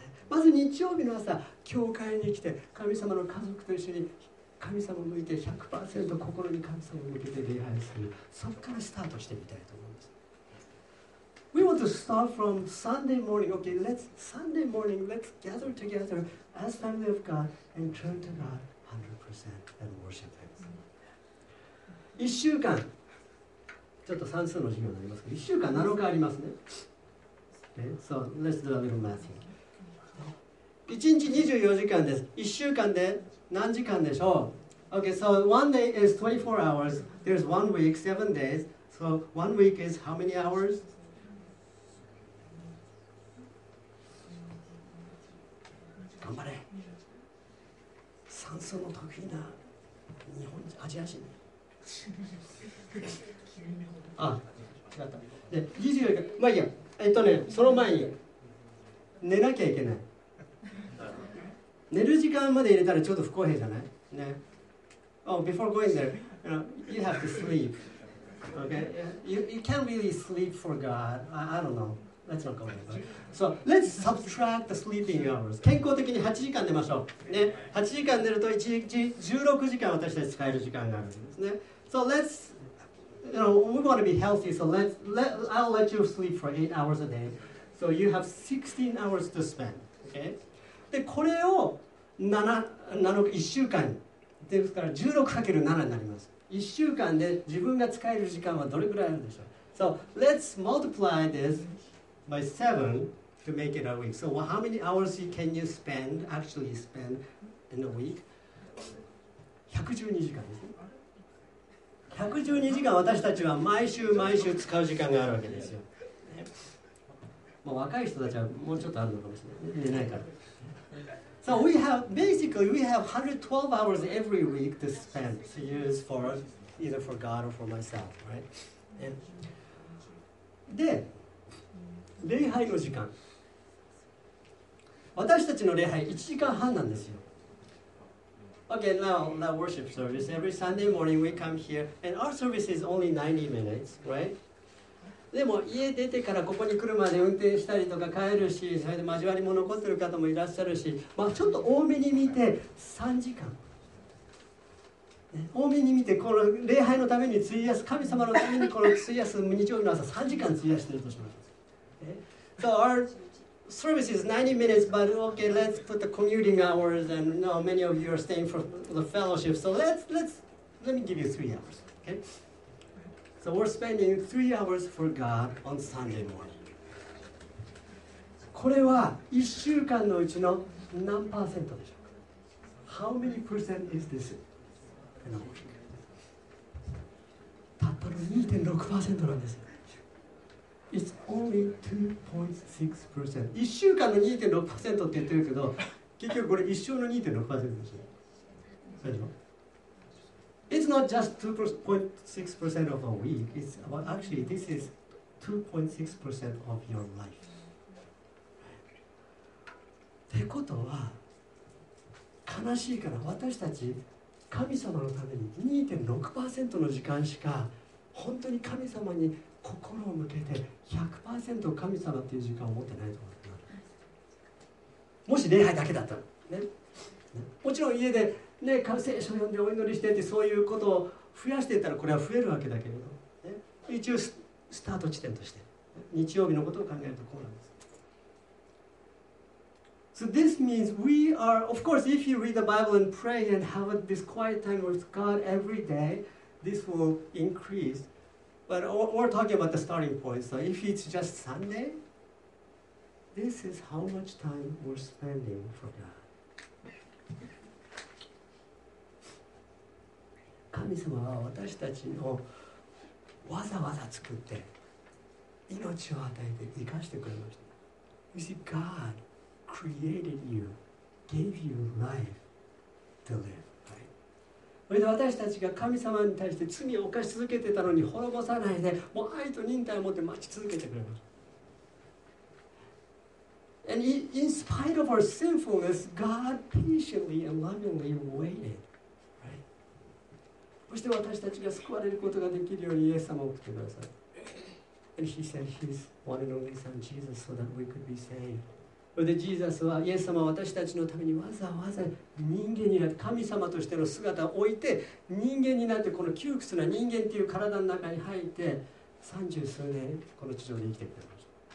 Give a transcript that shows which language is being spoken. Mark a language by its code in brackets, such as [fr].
[ja] まず日曜日の朝、教会に来て、神様の家族と一緒に神様を向いて 100% 心に神様を向けて礼拝する。そこからスタートしてみたいと思うんです。 [en] We want to start from Sunday morning. Okay, let's, Sunday morning, let's gather together as family of God and turn to God 100% and worship Him. [ja] 一週間、ちょっと算数の授業になりますけど、一週間7日ありますね。 [en] Okay, so let's do a little math here. [ja] 1日24時間です。 1週間で何時間でしょう [en] ?OK, so one day is 24 hours. There's one week, 7 days. So one week is how many hours? [ja] 頑張れ。算数の得意な日本人、アジア人。あ、違った。で、24時間。まあいいや。ね、その前に寝なきゃいけない。寝る時間まで入れたらちょっと不公平じゃない？ね。 [en] Oh, before going there, you know, you have to sleep. Okay? You can't really sleep for God. I don't know. Let's not go there. So, let's subtract the sleeping hours. [ja] 健康的に8時間寝ましょう。ね。8時間寝ると1日16時間私たち使える時間があるんですね。 [en] So, let's, you know, we want to be healthy, so I'll let you sleep for 8 hours a day. So, you have 16 hours to spend. Okay? [ja] でこれを 1週間ですから 16×7 になります。 1週間で自分が使える時間はどれくらいあるんでしょう。 [en] So let's multiply this by 7 to make it a week. So how many hours can you spend, actually spend in a week? [ja] 112時間ですね。 112時間私たちは毎週毎週使う時間があるわけですよ。まあ、若い人たちはもうちょっとあるのかもしれない。寝ないから。 [en] So we have basically we have 112 hours every week to spend to use for either for God or for myself, right? [ja] で、礼拝の時間。私たちの礼拝1時間半なんですよ。 [en] Okay, now the worship service. Every Sunday morning we come here, and our service is only 90 minutes, right? [ja] でも家出てからここに来るまで運転したりとか帰るし、それで交わりも残ってる方もいらっしゃるし、まあ、ちょっと多めに見て3時間。多めに見てこの礼拝のために費やす、神様のためにこの費やす日曜日の朝3時間費やしてるとします。 [en] So our service is 90 minutes, but okay, let's put the commuting hours and you know, many of you are staying for the fellowship. So let me give you 3 hours, okay? So we're spending 3 hours for God on Sunday morning. [ja] これは1週間のうちの何パーセントでしょうか? [en] How many percent is this? [ja] たったの 2.6% なんです。 [en] It's only 2.6%。 [ja] 1週間の 2.6% って言ってるけど、結局これ一生の 2.6% です。大丈夫? [en] It's not just 2.6% of a week. It's about actually this is 2.6% of your life. [ja] ってことは、悲しいから私たち神様のために 2.6% の時間しか本当に神様に心を向けて 100% 神様っていう時間を持ってないと思う。もし礼拝だけだったら、ね、もちろん家で、ね、聖書を読んでお祈りしてってそういうことを増やしていったらこれは増えるわけだけれど、ね、一応スタート地点として日曜日のことを考えるとこうなんです。 [en] So this means we are, of course, if you read the Bible and pray and have this quiet time with God every day, this will increase. But we're talking about the starting point. So if it's just Sunday, this is how much time we're spending for God. [ja] 神様は私たちをわざわざ作って命を与えて生かしてくれました。 [en] You see, God. Created you, gave you life to live. Right? [ja] 私たちが神様に対して罪を犯し続けてたのに滅ぼさないで、もう愛と忍耐を持って待ち続けてくれます。 [en] And in spite of our sinfulness, God patiently and lovingly waited. Right? [ja] そして私たちが救われることができるようにイエス様を送ってください。 [en] And He sent His one and only Son, Jesus, so that we could be saved. [ja] でジーザスはイエス様は私たちのためにわざわざ人間になって神様としての姿を置いて人間になってこの窮屈な人間という体の中に入って三十数年この地上で生きてくれました。